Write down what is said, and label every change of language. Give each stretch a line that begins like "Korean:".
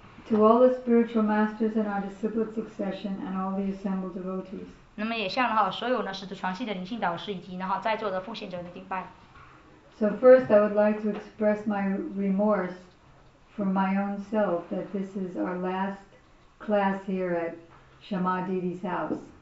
English: To all the spiritual masters in our disciplic succession and all the assembled devotees.
Chinese: 那么也向所有师徒传系的灵性导师以及在座的奉献者的顶拜。
English: So first I would like to express my remorse for my own self that this is our last class here at Shama Didi's house.